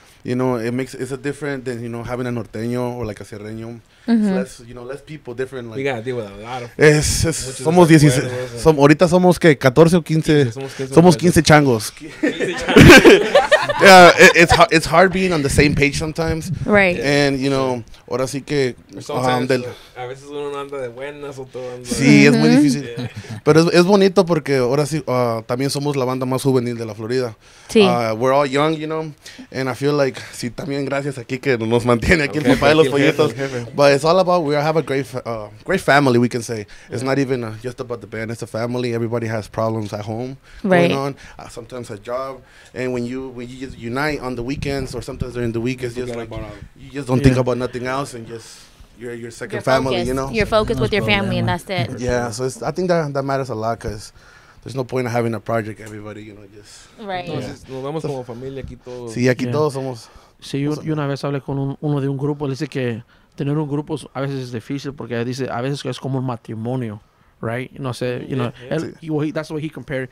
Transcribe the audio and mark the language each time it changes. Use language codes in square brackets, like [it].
[en] You know, it's a different than, you know, having a norteño or like a serreño. Mm-hmm. So less, you know, less people, different. Like, we got to deal with a lot of [es] somos 16. Ahorita somos que 14 o 15. Somos 15 changos. [en] Yeah, it's hard being on the same page sometimes. Right. And, you know, [es] ahora sí que. A veces uno anda de buenas o todo. Sí, mm-hmm. Es muy difícil. Yeah. Pero es bonito porque ahora sí, también somos la banda más juvenil de la Florida. Sí. [en] We're all young, you know. And I feel like, [es] sí, también gracias aquí que nos mantiene aquí el papá de los pollitos. [en] But it's all about, we have a great great family, we can say. Yeah. It's not even just about the band, it's a family. Everybody has problems at home. Right. Going on. Sometimes a job. And when you just unite on the weekends or sometimes during the week, it's just like, you just don't think about nothing else and just... Your second your family, focus. You know? You're focused with your family, and that's it. Yeah, so I think that matters a lot, because there's no point in having a project, everybody, you know, just... Right. [es] Entonces, nos vemos como familia aquí todos. Sí, aquí todos somos... Sí, yo una vez hablé con uno de un grupo, él dice que tener un grupo a veces es difícil, porque dice, a veces es como un matrimonio, right? No sé, [en] you know, that's what he compared.